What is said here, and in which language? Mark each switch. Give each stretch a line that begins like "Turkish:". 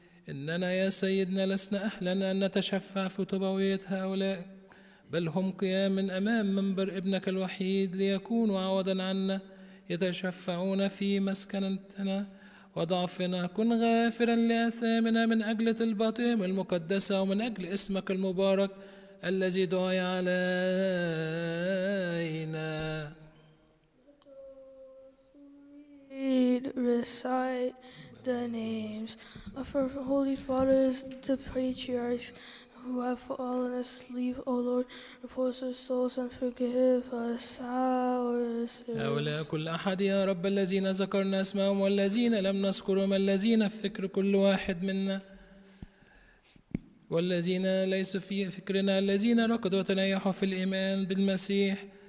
Arabic: إننا يا سيدنا لسنا أهلا أن نتشفع في طبوية هؤلاء, بل هم قيام من أمام منبر ابنك الوحيد ليكونوا عوضا عنا يتشفعون في مسكنتنا وضعفنا. كن غافرا لآثامنا من أجل طلباتهم المقدسة ومن أجل اسمك المبارك الذي دعي علينا.
English: Recite the names of our holy fathers, the patriarchs who have fallen asleep. O Lord, repose our souls and forgive us our sins.
Arabic: هؤلاء كل أحد يا رب الذين ذكرنا اسمهم والذين لم نذكرهم الذين في فكر كل واحد منا والذين ليس في فكرنا الذين رقدوا تنيحوا في الإيمان بالمسيح.